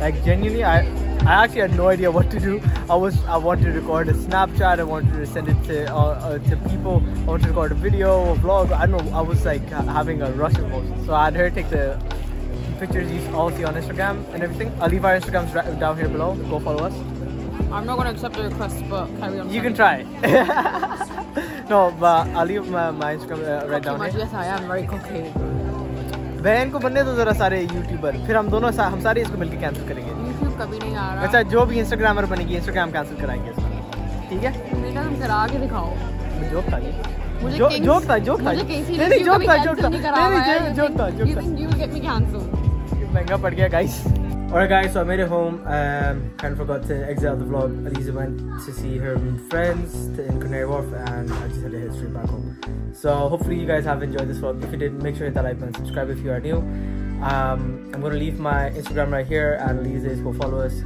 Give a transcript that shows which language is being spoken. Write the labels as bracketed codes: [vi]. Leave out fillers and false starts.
[en] Like genuinely, I actually had no idea what to do. I wanted to record a Snapchat, I wanted to send it to people, I wanted to record a video, a vlog, I don't know, I was like having a rush of emotions. So I had her take the pictures, you all see on Instagram and everything. I'll leave our Instagrams right down here below, go follow us. I'm not going to accept the request, but carry on. You can try. No, but I'll leave my Instagram right down here. Yes, I am very cocky. [hi] बहन को बनने दो जरा सारे YouTuber फिर हम दोनों हम सारे इसको मिलके कैंसिल करेंगे यूट्यूब कभी नहीं आ रहा अच्छा जो भी इंस्टाग्रामर बनेगी इंस्टाग्राम कैंसिल कराएंगे इसको ठीक है बेटा तुम करा के दिखाओ जोक था ये मुझे जोक था जोक था मुझे कैसी नहीं जोक था नहीं नहीं जोक था जोक था [en] you think you will get me cancel [hi] महंगा पड़ गया guys [en] Alright guys, so I made it home, kind of forgot to exit out the vlog. Elise went to see her friends in Canary Wharf and I just had to hit straight back home. So hopefully you guys have enjoyed this vlog. If you did, make sure to hit that like button, subscribe if you are new. I'm going to leave my Instagram right here and Elise will follow us.